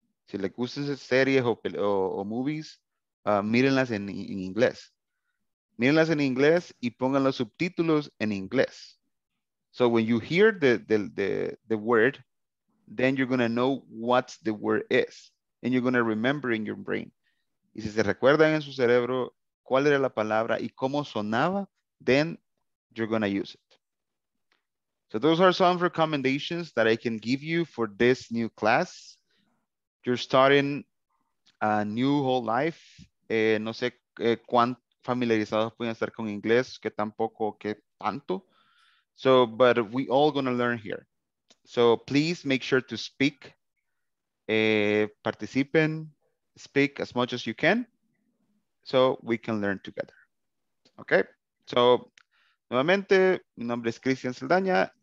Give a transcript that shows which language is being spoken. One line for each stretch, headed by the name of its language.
Spanish: Si les gustan series o movies, mírenlas en inglés. Mírenlas en inglés y pongan los subtítulos en inglés.
English: So when you hear the word, then you're going to know what the word is. And you're going to remember in your brain.
Spanish: Y si se recuerdan en su cerebro cuál era la palabra y cómo sonaba,
English: then you're going to use it. So those are some recommendations that I can give you for this new class. You're starting a new whole life.
Spanish: No sé cuán familiarizados pueden estar con inglés, que tampoco, que tanto.
English: So, but we all going to learn here. So please make sure to speak.
Spanish: Participen.
English: Speak as much as you can so we can learn together.
Spanish: Okay, so nuevamente, mi nombre es Cristian Saldaña.